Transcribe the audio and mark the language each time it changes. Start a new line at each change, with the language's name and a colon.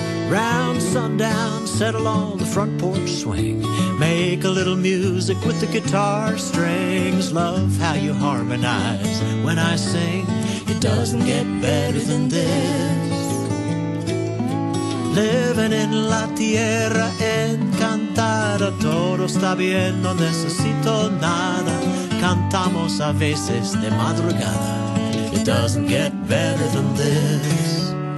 English: Round sundown, settle on the front porch swing. Make a little music with the guitar strings. Love how you harmonize when I sing. It doesn't get better than this. Living in
Spanish: la tierra encantada, todo está bien, no necesito nada. Cantamos a veces de madrugada.
English: It doesn't get better than this.